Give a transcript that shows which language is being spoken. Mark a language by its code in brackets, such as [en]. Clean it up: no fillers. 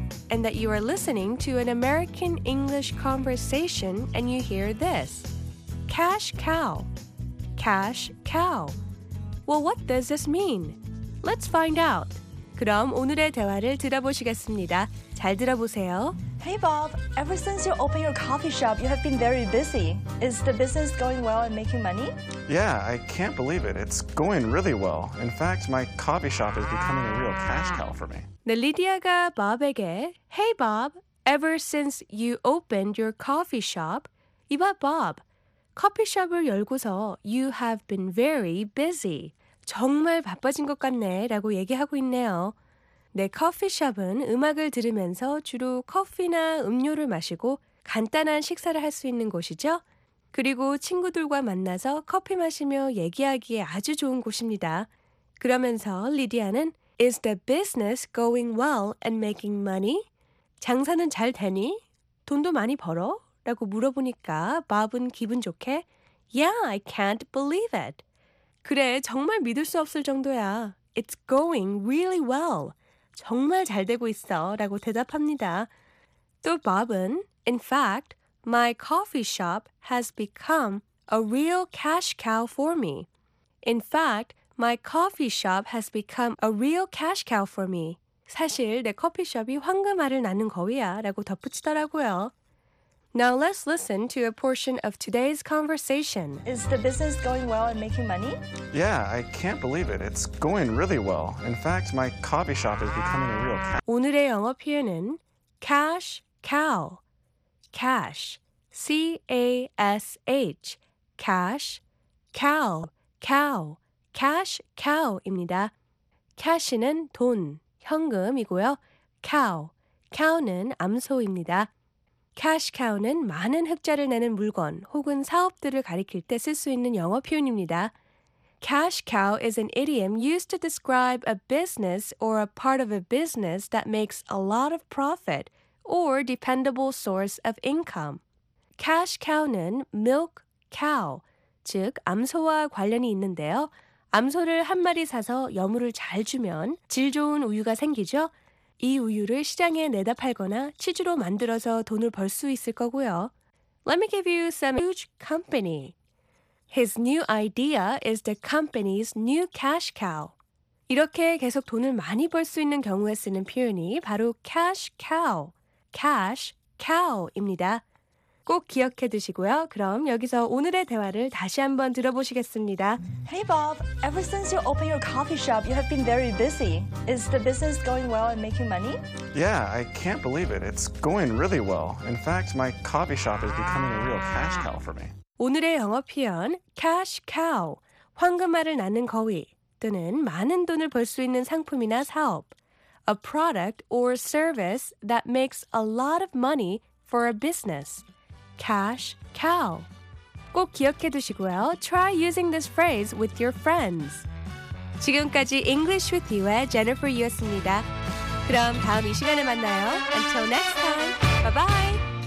[en] and that you are listening to an American English conversation and you hear this. Cash cow. Cash cow. Well, what does this mean? Let's find out. [ko] 그럼 오늘의 대화를 들어보시겠습니다. 잘 들어보세요. [en] Hey, Bob. Ever since you opened your coffee shop, you have been very busy. Is the business going well and making money? Yeah, I can't believe it. It's going really well. In fact, my coffee shop is becoming a real cash cow for me. [ko] 네, 리디아가 Bob에게 [en] Hey, Bob. Ever since you opened your coffee shop, [ko] 이봐, Bob. 커피숍을 열고서 [en] You have been very busy. [ko] 정말 바빠진 것 같네 라고 얘기하고 있네요. 내 커피숍은 음악을 들으면서 주로 커피나 음료를 마시고 간단한 식사를 할 수 있는 곳이죠. 그리고 친구들과 만나서 커피 마시며 얘기하기에 아주 좋은 곳입니다. 그러면서 리디아는 [en] Is the business going well and making money? [ko] 장사는 잘 되니? 돈도 많이 벌어? 라고 물어보니까 밥은 기분 좋게 [en] Yeah, I can't believe it. [ko] 그래, 정말 믿을 수 없을 정도야. [en] It's going really well. [ko] 정말 잘 되고 있어 라고 대답합니다. 또 밥은 [en] In fact, my coffee shop has become a real cash cow for me. In fact, my coffee shop has become a real cash cow for me. [ko] 사실 내 커피숍이 황금알을 낳는 거위야 라고 덧붙이더라고요. [en] Now let's listen to a portion of today's conversation. Is the business going well and making money? Yeah, I can't believe it. It's going really well. In fact, my coffee shop is becoming a real cow. [ko] 오늘의 영어 표현은 cash cow. [en] Cash. C-A-S-H. Cash. Cow. Cow. [ko] Cash cow입니다. Cash는 돈, 현금이고요. Cow. Cow는 암소입니다. Cash cow는 많은 흑자를 내는 물건 혹은 사업들을 가리킬 때 쓸 수 있는 영어 표현입니다. [en] Cash cow is an idiom used to describe a business or a part of a business that makes a lot of profit or dependable source of income. [ko] Cash cow는 milk cow, 즉 암소와 관련이 있는데요. 암소를 한 마리 사서 여물을 잘 주면 질 좋은 우유가 생기죠. 이 우유를 시장에 내다 팔거나 치즈로 만들어서 돈을 벌 수 있을 거고요. [en] Let me give you some huge company. His new idea is the company's new cash cow. [ko] 이렇게 계속 돈을 많이 벌 수 있는 경우에 쓰는 표현이 바로 cash cow. Cash cow입니다. 꼭 기억해 두시고요. 그럼 여기서 오늘의 대화를 다시 한번 들어보시겠습니다. Hey Bob, ever since you opened your coffee shop, you have been very busy. Is the business going well and making money? Yeah, I can't believe it. It's going really well. In fact, my coffee shop is becoming a real cash cow for me. 오늘의 영어 표현, cash cow, 황금알을 낳는 거위, 또는 많은 돈을 벌 수 있는 상품이나 사업, [en] a product or service that makes a lot of money for a business. [ko] Cash cow. 꼭 기억해 두시고요. [en] Try using this phrase with your friends. [ko] 지금까지 [en] English with You의 Jennifer [ko] 이었습니다. 그럼 다음 이 시간에 만나요. [en] Until next time. Bye-bye.